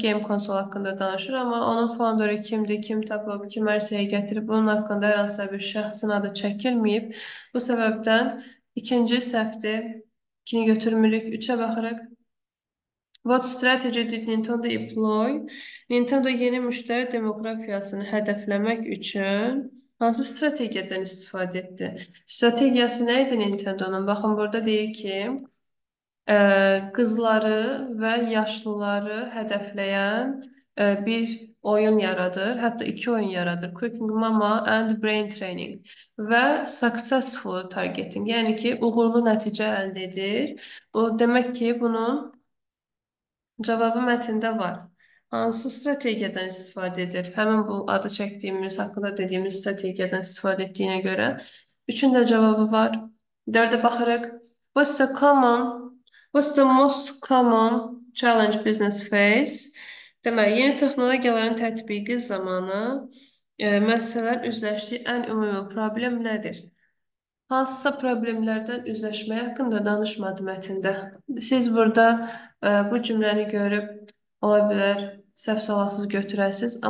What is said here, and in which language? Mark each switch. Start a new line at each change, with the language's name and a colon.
Azerbaijani: Game konsol hakkında danışır ama onun founder'ı kimdir? Kim tapıp, kim arsaya getirip bunun hakkında herhangi bir şahsın adı çekilmeyip bu sebepten ikinci sefti ikini götürmülük. Üçe bakarak.
English: What strategy did Nintendo employ?
Azerbaijani: Nintendo yeni müştəri demoqrafiyasını hədəfləmək üçün hansı strategiyadan istifadə etdi? Strategiyası neydi Nintendo'nun? Baxın, burada deyir ki, qızları və yaşlıları hədəfləyən bir oyun yaradır. Hətta iki oyun yaradır. Cooking Mama and Brain Training. Və Successful Targeting. Yəni ki, uğurlu nəticə əldə edir. Bu demək ki, bunun cavabı mətndə var. Hansı stratejiden istifade eder? Hemen bu adı çektiğimiz, hakkında dediğimiz stratejiden istifade ettiğine göre. Üçün de cevabı var. Dörde bakarak,
English: what's the most common challenge business face?
Azerbaijani: Demek yeni texnologiyaların tətbiqi zamanı məsələlər üzləşdiyi ən ümumi problem nədir? Hansısa problemlərdən üzləşmək haqqında danışmadı mətndə. Siz burada bu cümləni görüb ola bilər səhv salasız götürəsiz.